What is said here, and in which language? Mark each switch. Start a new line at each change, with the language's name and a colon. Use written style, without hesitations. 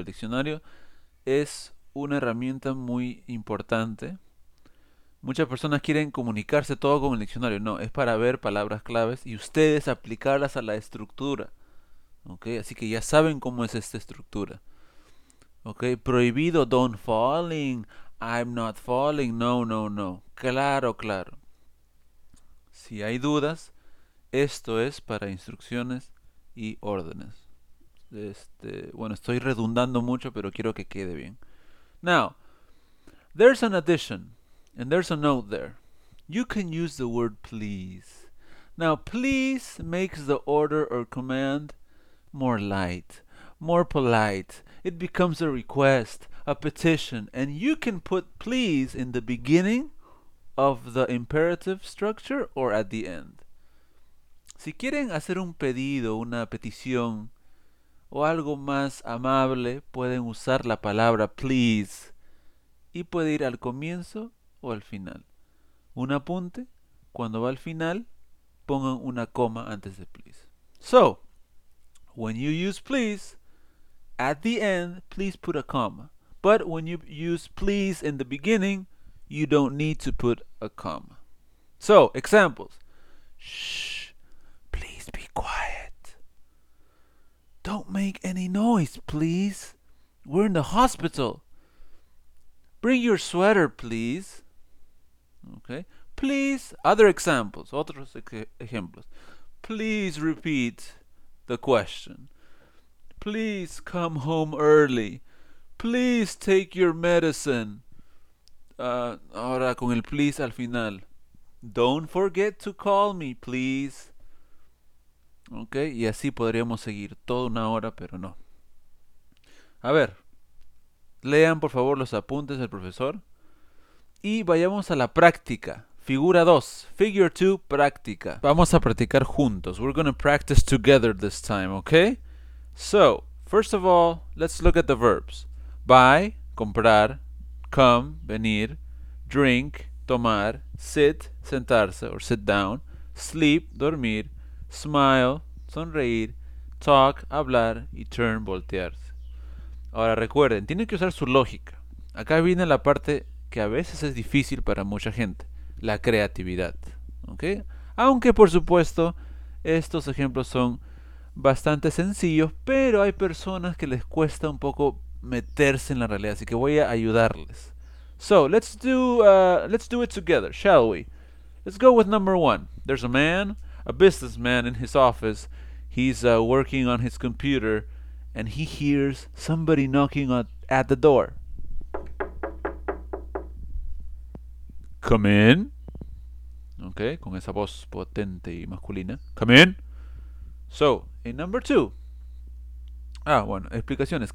Spanish: El diccionario es una herramienta muy importante. Muchas personas quieren comunicarse todo con el diccionario. No, es para ver palabras claves y ustedes aplicarlas a la estructura. ¿Okay? Así que ya saben cómo es esta estructura. ¿Okay? Prohibido,
English: don't falling. I'm not falling. No, no, no.
Spanish: Claro. Si hay dudas, esto es para instrucciones y órdenes. Bueno, estoy redundando mucho, pero quiero que quede bien.
English: Now, there's an addition. And there's a note there. You can use the word please. Now, please makes the order or command more light, more polite. It becomes a request, a petition, and you can put please in the beginning of the imperative structure or at the end.
Spanish: Si quieren hacer un pedido, una petición o algo más amable, pueden usar la palabra please y puede ir al comienzo o al final. Un apunte, cuando va al final, pongan una coma antes de please.
English: So, when you use please, at the end, please put a comma. But when you use please in the beginning, you don't need to put a comma. So, examples. Shh, please be quiet. Don't make any noise, please. We're in the hospital. Bring your sweater, please. Okay. Please, other examples,
Spanish: otros ejemplos.
English: Please repeat the question. Please come home early. Please take your medicine.
Spanish: Ahora con el please al final.
English: Don't forget to call me, please.
Spanish: Okay, y así podríamos seguir toda una hora, pero no. A ver, lean por favor los apuntes del profesor. Y vayamos a la práctica. Figura 2.
English: Figure 2,
Spanish: práctica. Vamos a practicar juntos.
English: We're going to practice together this time, okay? So, first of all, let's look at the verbs. Buy, comprar, come, venir, drink, tomar, sit, sentarse or sit down, sleep, dormir, smile, sonreír, talk, hablar y turn, voltearse.
Spanish: Ahora recuerden, tienen que usar su lógica. Acá viene la parte que a veces es difícil para mucha gente, la creatividad. ¿Okay? Aunque por supuesto estos ejemplos son bastante sencillos, pero hay personas que les cuesta un poco meterse en la realidad, así que voy a ayudarles.
English: So, let's do it together, shall we? Let's go with number one. There's a man, a businessman in his office. He's working on his computer and he hears somebody knocking at the door. Come in.
Spanish: Okay, con esa voz potente y masculina.
English: Come in. So, in number two.
Spanish: Ah, bueno, explicaciones.